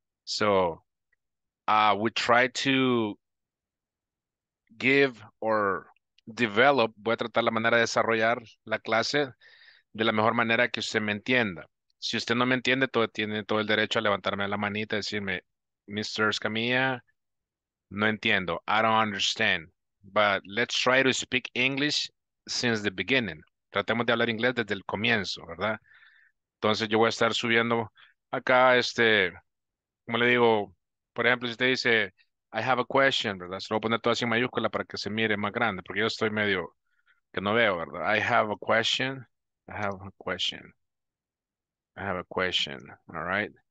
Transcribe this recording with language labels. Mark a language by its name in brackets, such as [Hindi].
[English] So, we try to give or develop, [Spanish] voy a tratar la manera de desarrollar la clase de la mejor manera que usted me entienda. Si usted no me entiende, tiene todo el derecho a levantarme la manita y decirme, Mr. [English] Escamilla, [Spanish] no entiendo, [English] I don't understand, but let's try to speak English since the beginning. [Spanish] Tratemos de hablar inglés desde el comienzo, ¿verdad? Entonces yo voy a estar subiendo acá, como le digo, por ejemplo, si usted dice, [English] I have a question, [Spanish] ¿verdad? Se lo voy a poner todo así en mayúscula para que se mire más grande, porque yo estoy medio que no veo, ¿verdad? [English] I have a question. I have a question. All right.